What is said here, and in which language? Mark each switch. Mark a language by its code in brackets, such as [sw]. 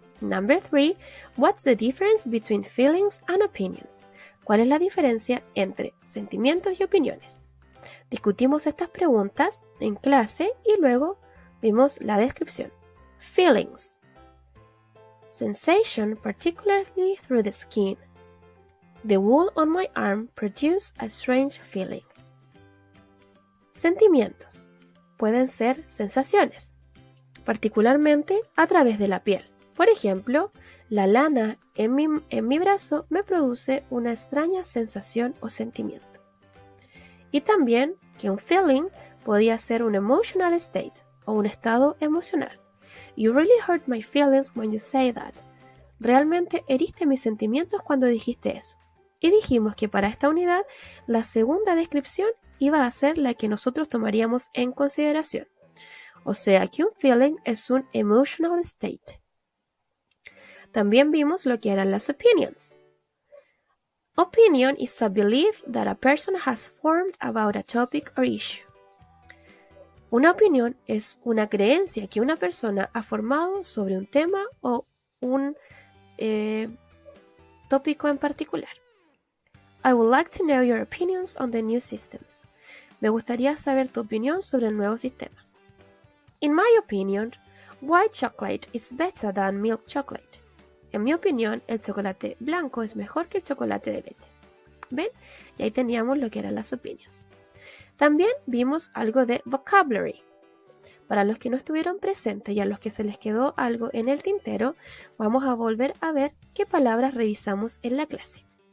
[en] Number three, What's the difference between feelings and opinions? [es] ¿Cuál es la diferencia entre sentimientos y opiniones? Discutimos estas preguntas en clase y luego vimos la descripción. [en] Feelings. Sensation, particularly through the skin. The wool on my arm produces a strange feeling. Sentimientos. [es] Pueden ser sensaciones, particularmente a través de la piel. Por ejemplo, la lana en mi brazo me produce una extraña sensación o sentimiento. Y también que un feeling podía ser un [en] emotional state [es] o un estado emocional. [en] You really hurt my feelings when you say that. [es] Realmente heriste mis sentimientos cuando dijiste eso. Y dijimos que para esta unidad, la segunda descripción iba a ser la que nosotros tomaríamos en consideración. O sea, que un feeling es un [en] emotional state. [es] También vimos lo que eran las opinions. [en] Opinion is a belief that a person has formed about a topic or issue. [es] Una opinión es una creencia que una persona ha formado sobre un tema o un tópico en particular. [en] I would like to know your opinions on the new systems. [es] Me gustaría saber tu opinión sobre el nuevo sistema. [en] In my opinion, white chocolate is better than milk chocolate. [es] En mi opinión, el chocolate blanco es mejor que el chocolate de leche. ¿Ven? Y ahí teníamos lo que eran las opiniones. También vimos algo de vocabulary. Para los que no estuvieron presentes y a los que se les quedó algo en el tintero, vamos a volver a ver qué palabras revisamos en la clase.